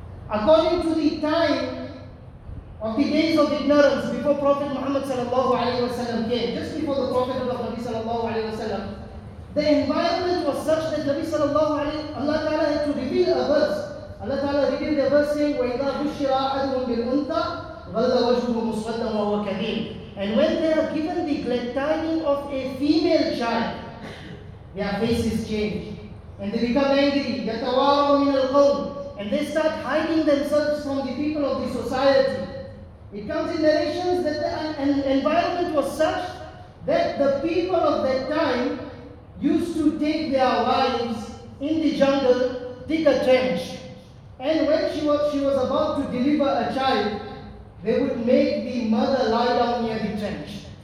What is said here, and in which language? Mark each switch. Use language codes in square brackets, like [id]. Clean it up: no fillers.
[en] According to the time of the days of ignorance before Prophet Muhammad sallallahu alaihi wasallam came, just before the Prophet of Allah sallallahu alaihi wasallam, the environment was such that Nabi sallallahu alaihi Allah Ta'ala had to reveal a verse. Allah Ta'ala revealed a verse saying, [ar] وَإِذَا بُشِّرَ أَحَدُهُمْ بِالْأُنْثَى ظَلَّ وَجْهُهُ مُسْوَدًّا وَهُوَ كَظِيمٌ. [en] And when they are given the glad tidings of a female child, their faces change and they become angry. [ar] يَتَوَارَى مِنَ الْقَوْمِ. [en] And they start hiding themselves from the people of the society. It comes in narrations that the environment was such that the people of that time used to take their wives in the jungle, dig a trench, and when she was about to deliver a child, they would make the mother lie down near the trench.